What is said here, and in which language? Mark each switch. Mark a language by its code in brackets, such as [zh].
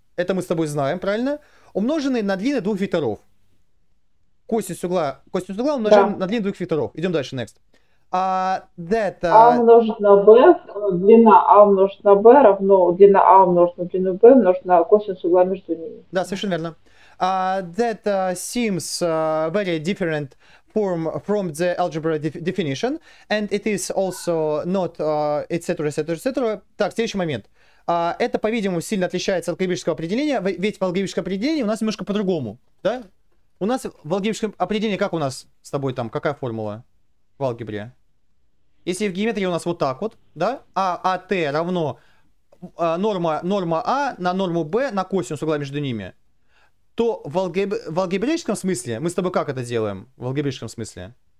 [ru] Это мы с тобой знаем, правильно? Умноженный на длину двух векторов. Косинус угла умножен, да, на длину двух векторов. Идем дальше, next. A умножить на b, длина a умножить на b равно длина a умножить на длину b умножить на косинус угла между ними. Да, совершенно верно. [en] That seems very different form from the algebra definition, and it is also not etc, etc, etc. [ru] Так, следующий момент. Это, по-видимому, сильно отличается от алгебрического определения, ведь в алгебрическом определении у нас немножко по-другому, да? У нас в алгебрическом определении как у нас с тобой там, какая формула в алгебре? Если в геометрии у нас вот так вот, да? АТ равно норма А на норму Б на косинус угла между ними, то в алгебрическом смысле мы с тобой как это делаем? В алгебрическом смысле?